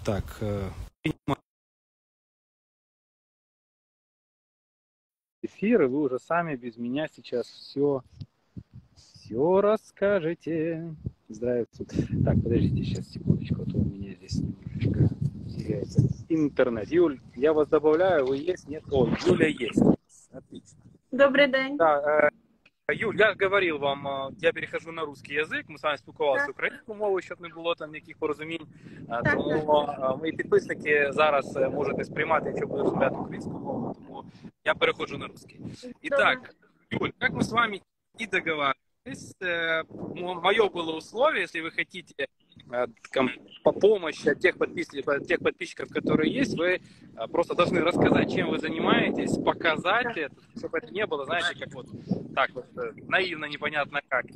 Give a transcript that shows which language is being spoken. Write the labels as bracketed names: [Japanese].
[Russian] Так, эфир, и вы уже сами без меня сейчас все расскажете. Здравствуйте. Так, подождите сейчас секундочку, а то у меня здесь немножечко теряется интернет. Юль, я вас добавляю, вы есть? Нет? О, Юля есть. Отлично. Добрый день. Да, Юль, я говорил вам, я перехожу на русский язык, [Ukrainian] мы с вами спілкувалися українською мовою, щоб не було там ніяких порозумінь, тому мої підписники зараз можете сприймати, якщо будуть слухати українську мову, тому я переходжу на русский. І так, Юль, як ми з вами і договорились, моє було условие, якщо ви хочете [Russian] по помощи тех подписчиков, которые есть, вы просто должны рассказать, чем вы занимаетесь, показать это, чтобы это не было, знаете, как вот так вот наивно, непонятно как.